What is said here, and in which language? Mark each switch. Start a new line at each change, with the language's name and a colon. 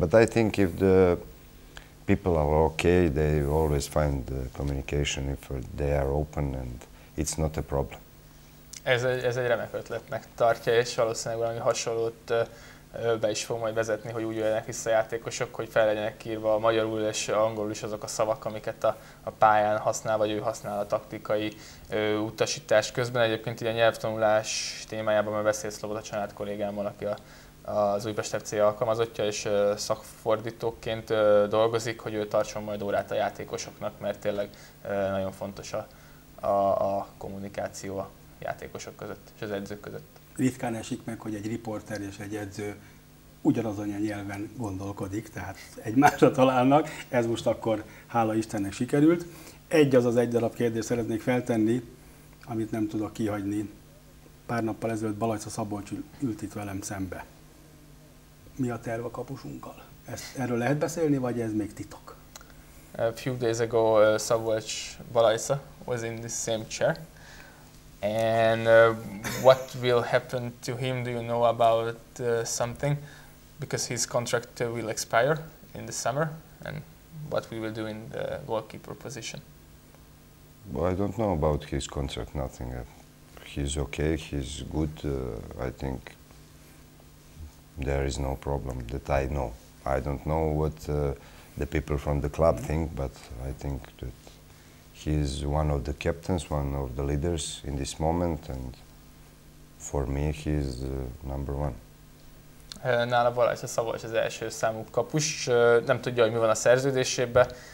English: But I think if the people are okay, they always find the communication if they are open, and it's not a problem.
Hungarian: Ez egy remek ötletnek tartja, és valószínűleg valami hasonlót be is fog majd vezetni, hogy úgy jöjjenek vissza a játékosok, hogy fel legyenek írva a magyarul és angolul is azok a szavak, amiket a pályán használ, vagy ő használ a taktikai utasítás közben. Egyébként így a nyelvtanulás témájában már beszélt Sloboda Csanád kollégámmal, aki az Újpest FC alkalmazottja, és szakfordítóként dolgozik, hogy ő tartson majd órát a játékosoknak, mert tényleg nagyon fontos a kommunikáció a játékosok között és az edzők között. Ritkán esik meg, hogy egy riporter és egy edző ugyanazon a nyelven gondolkodik, tehát egymásra találnak. Ez most akkor hála Istennek sikerült. Egy az egy darab kérdést szeretnék feltenni, amit nem tudok kihagyni. Pár nappal ezelőtt Balajca Szabolcs ült itt velem szembe. Mi a terv a kapusunkkal? Erről lehet beszélni, vagy ez még titok?
English: A few days ago, Szabolcs Balajca was in the same chair. And what will happen to him? Do you know about something? Because his contract will expire in the summer. And what we will do in the goalkeeper position? Well, I don't know about his contract, nothing. He's okay, he's good, I think. There is no problem that I know. I don't know what the people from the club think, but I think that he's one of the captains, one of the leaders in this moment, and for me he's number one.
Hungarian: Nála Balázs a Szabolcs az első számú kapus. Nem tudja, hogy mi van a szerződésében.